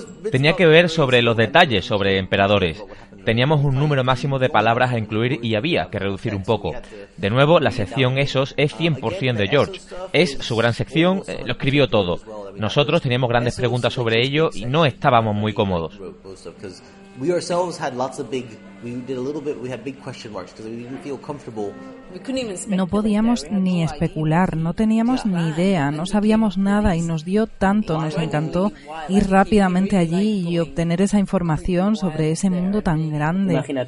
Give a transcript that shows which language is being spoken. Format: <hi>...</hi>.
<es>Tenía que ver sobre los detalles sobre emperadores. Teníamos un número máximo de palabras a incluir y había que reducir un poco. De nuevo, la sección Esos es 100% de George. Es su gran sección, lo escribió todo. Nosotros teníamos grandes preguntas sobre ello y no estábamos muy cómodos.</es> <en>We ourselves had lots of big... We did a little bit... We had big question marks because we didn't feel comfortable...</en> <es>No podíamos ni especular, no teníamos ni idea, no sabíamos nada y nos dio tanto, nos encantó ir rápidamente allí y obtener esa información sobre ese mundo tan grande,</es>